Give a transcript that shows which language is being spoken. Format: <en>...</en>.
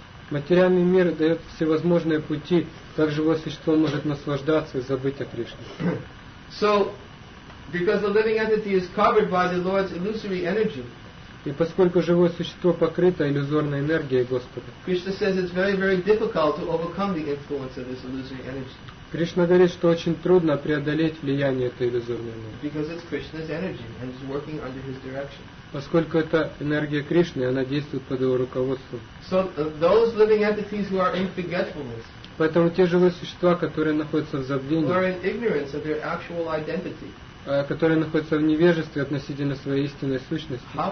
<ru>Материальный мир дает всевозможные пути, как живое существо может наслаждаться и забыть о Кришне.</ru> <en>So, because the living entity is covered by the Lord's illusory energy.</en> <ru>И поскольку живое существо покрыто иллюзорной энергией Господа.</ru> <en>Krishna says it's very, very difficult to overcome the influence of this illusory energy.</en> <ru>Кришна говорит, что очень трудно преодолеть влияние этой иллюзорной энергии.</ru> <en>Because it's Krishna's energy and it's working under his direction.</en> <ru>Поскольку это энергия Кришны, она действует под его руководством.</ru> <en>So those living entities who are in forgetfulness.</en> <ru>Поэтому те живые существа, которые находятся в забвении.</ru> <en>Who are in ignorance of their actual identity.</en> <ru>Которые находятся в невежестве относительно своей истинной сущности.</ru>